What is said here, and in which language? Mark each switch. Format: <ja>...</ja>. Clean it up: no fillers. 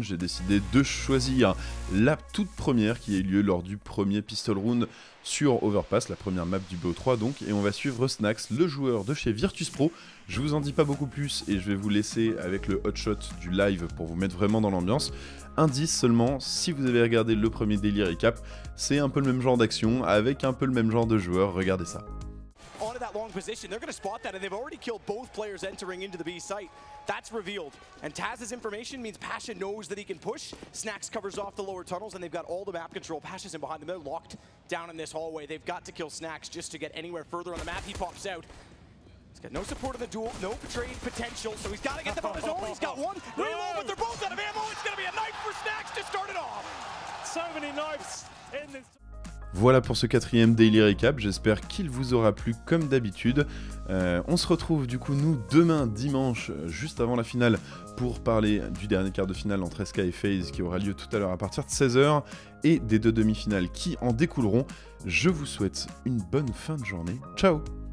<fr>J'ai décidé de choisir la toute première qui a eu lieu lors du premier Pistol Round sur Overpass, la première map du BO3 donc. Et on va suivre Snax, le joueur de chez Virtus Pro. Je vous en dis pas beaucoup plus et je vais vous laisser avec le hotshot du live pour vous mettre vraiment dans l'ambiance. Indice seulement, si vous avez regardé le premier Daily Recap, c'est un peu le même genre d'action avec un peu le même genre de joueur. Regardez ça.</fr> <en>Onto that long position, they're going to spot that, and they've already killed both players entering into the B site. That's revealed. And Taz's information means Pasha knows that he can push. Snax covers off the lower tunnels, and they've got all the map control. Pasha's in behind them. They're locked down in this hallway. They've got to kill Snax just to get anywhere further on the map. He pops out. He's got no support of the duel, no betrayed potential, so he's got to get them on his own. He's got one reload, but they're both out of ammo. It's going to be a knife for Snax to start it off. So many knives in this.</en> <fr>Voilà pour ce quatrième Daily Recap, j'espère qu'il vous aura plu comme d'habitude. On se retrouve du coup nous demain dimanche, juste avant la finale, pour parler du dernier quart de finale entre SK et FaZe qui aura lieu tout à l'heure à partir de 16h, et des deux demi-finales qui en découleront. Je vous souhaite une bonne fin de journée, ciao !</fr>